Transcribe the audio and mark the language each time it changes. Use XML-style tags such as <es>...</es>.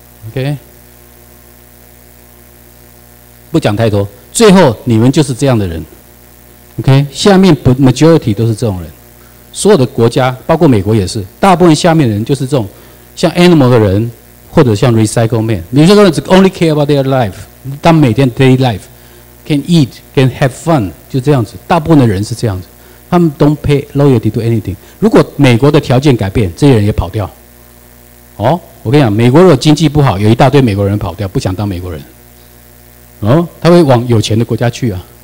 <zh>OK， 不讲太多，最后你们就是这样的人。 OK， 下面 majority 都是这种人。所有的国家包括美国也是，大部分下面的人就是这种像 animal 的人，或者像</zh> <en>recycle man。</en> <zh>有些人只</zh> <en>only care about their life，</en> <zh>当每天</zh> <en>daily life can eat can have fun，</en> <zh>就这样子。大部分的人是这样子，他们</zh> <en>don't pay loyalty to anything。</en> <zh>如果美国的条件改变，这些人也跑掉哦。我跟你讲，美国如果经济不好，有一大堆美国人跑掉，不想当美国人哦，他会往有钱的国家去啊。</zh>